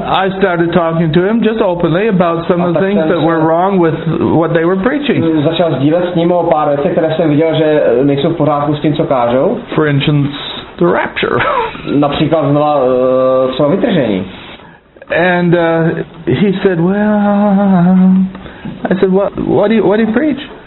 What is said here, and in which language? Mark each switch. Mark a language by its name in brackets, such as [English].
[English] I started talking to him just openly about some of the things that were wrong with what they were preaching. [Czech] Začal sdílet s ním o pár věcech, které jsem viděl, že nejsou v pořádku s tím, co kážou. [English] For instance, the rapture. [Czech] Například znova co vytržení. [English] And he said, "Well, I said, what do you preach?"